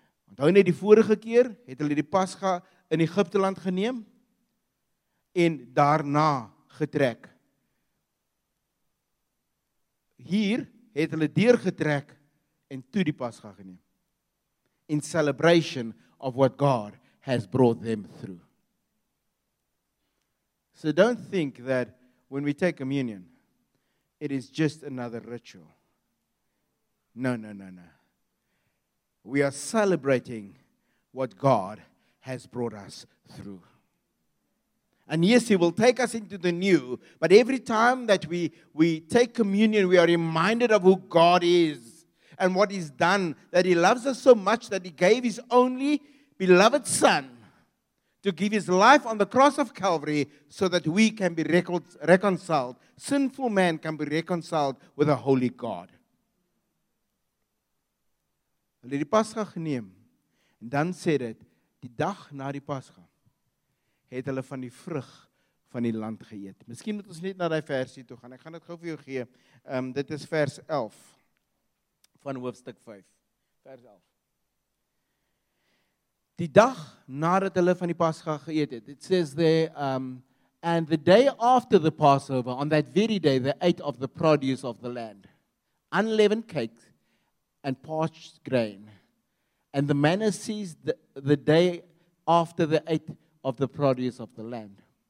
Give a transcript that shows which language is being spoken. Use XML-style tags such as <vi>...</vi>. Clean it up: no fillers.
<af>Onthou net die vorige keer, het hulle die Pascha in Egypte land geneem, en daarna getrek. Hier het hulle deurgetrek, en toe die Pascha geneem.</af> <en>In celebration of what God has brought them through. So don't think that when we take communion, it is just another ritual. No. We are celebrating what God has brought us through. And yes, He will take us into the new, but every time that we take communion, we are reminded of who God is and what He's done, that He loves us so much that He gave His only beloved Son to give His life on the cross of Calvary so that we can be reconciled. Sinful man can be reconciled with a holy God.</en> <af>Hulle het die Pascha geneem en dan sê dit, die dag na die Pascha het hulle van die vrug van die land geëet. Miskien moet ons net na die versie toe gaan. Ek gaan dit gou vir jou gee. Dit is vers 11 van hoofstuk 5. Vers 11. Die dag nadat hulle van die Pascha geëet het.</af> <en>It says there, and the day after the Passover, on that very day, they ate of the produce of the land, unleavened cakes and parched grain. And the manna ceased the day after they ate of the produce of the land.</en>